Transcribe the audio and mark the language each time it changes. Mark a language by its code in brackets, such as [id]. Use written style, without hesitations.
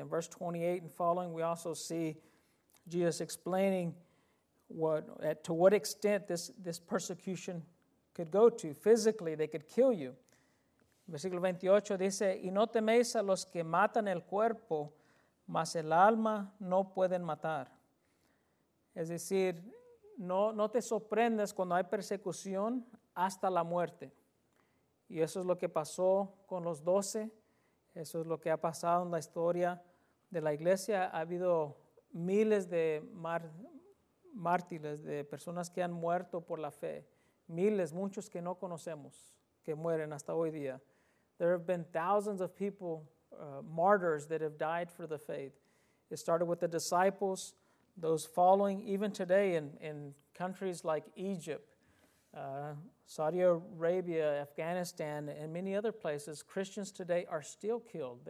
[en] In verse 28 and following, we also see Jesus explaining to what extent this persecution could go to. Physically, they could kill you. [es] Versículo 28 dice, y no teméis a los que matan el cuerpo, mas el alma no pueden matar. Es decir, no te sorprendas cuando hay persecución hasta la muerte. Y eso es lo que pasó con los 12. Eso es lo que ha pasado en la historia de la iglesia. Ha habido miles de mártires, de personas que han muerto por la fe. Miles, muchos que no conocemos, que mueren hasta hoy día. [en] There have been thousands of people, martyrs that have died for the faith. It started with the disciples, those following, even today in countries like Egypt, Saudi Arabia, Afghanistan, and many other places, Christians today are still killed.